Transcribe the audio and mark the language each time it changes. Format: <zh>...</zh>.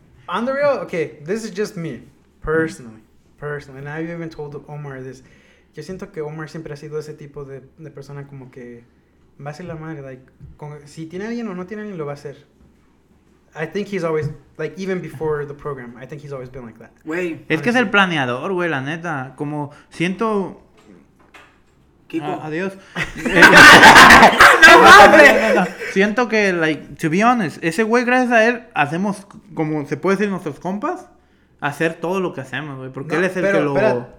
<en>On the real, okay, this is just me, personally. And I've even told Omar this.</en> <es>Yo siento que Omar siempre ha sido ese tipo de persona como que va a ser la madre, like, si tiene alguien o no tiene alguien, lo va a hacer.</es> <en>I think he's always, like, even before the program, I think he's always been like that.</en> <es>Wey. Es que es el planeador, güey, la neta. Como siento... Kiko. Adiós. ¡No mames! Siento que, like,</es> <en>to be honest,</en> <es>ese güey, gracias a él, hacemos, como se puede decir, nuestros compas, hacer todo lo que hacemos, güey, porque no, él es el que lo...</es>